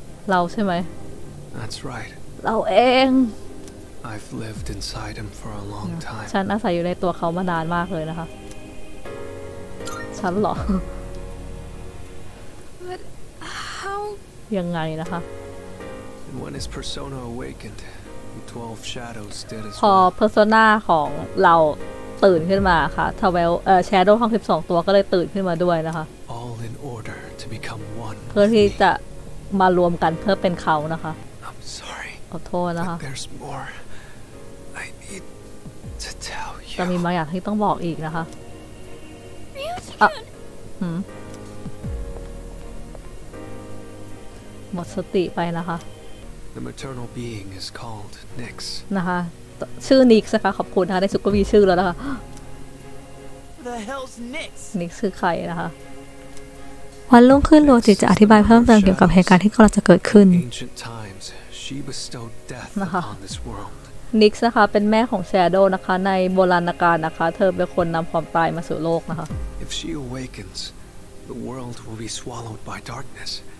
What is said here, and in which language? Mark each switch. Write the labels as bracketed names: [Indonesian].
[Thai] เราใช่ไหม [English] That's right. [Thai] เราเอง [English] I've lived inside him for a long time. [Thai] ฉันอาศัยอยู่ในตัวเขามานานมากเลยนะคะฉันหรอยังไงนะคะ [English] And when his persona awakened, the 12 shadows did as well. [Thai] พอ persona ของเราตื่นขึ้นมาค่ะ Shadow ทั้ง12ตัวก็เลยตื่นขึ้นมาด้วยนะคะ [English] All in order to become one. [Thai] เพื่อที่จะมารวมกันเพื่อเป็นเขานะคะ [English] I'm sorry. [Thai] ขอโทษนะคะ [English] There's more I need to tell you. [Thai] จะมีบางอย่างที่ต้องบอกอีกนะคะ หมดสติไปนะคะ [English] The maternal being is called Nix. [Thai] นะคะชื่อ Nix นะคะขอบคุณนะคะได้ซุปเปอร์วีชื่อแล้วนะคะ [English] The hell's Nix. [Thai] Nix คือใครนะคะ วันรุ่งขึ้นโรจิจะอธิบายเพิ่มเติมเกี่ยวกับเหตุการณ์ที่กำลังจะเกิดขึ้น [English] Ancient times she bestowed death upon this world. [Thai] Nix นะคะเป็นแม่ของ Shadow นะคะในโบราณกาลนะคะเธอเป็นคนนำความตายมาสู่โลกนะคะ [English] If she awakens the world will be swallowed by darkness